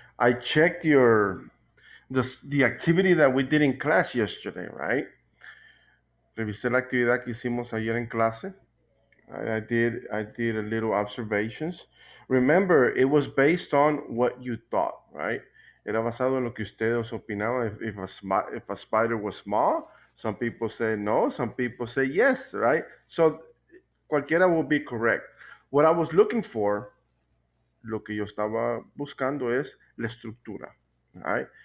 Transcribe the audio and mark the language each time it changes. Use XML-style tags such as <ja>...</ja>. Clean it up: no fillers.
<en>I checked the activity that we did in class yesterday, right?</en> <es>Revisé la actividad que hicimos ayer en clase.</es> <en>I did a little observations. Remember, it was based on what you thought, right?</en> <es>Era basado en lo que ustedes opinaban.</es> <en>If a spider was small, some people say no, some people say yes, right? So cualquiera will be correct. What I was looking for,</en> <es>lo que yo estaba buscando es la estructura,</es> <en>right?</en>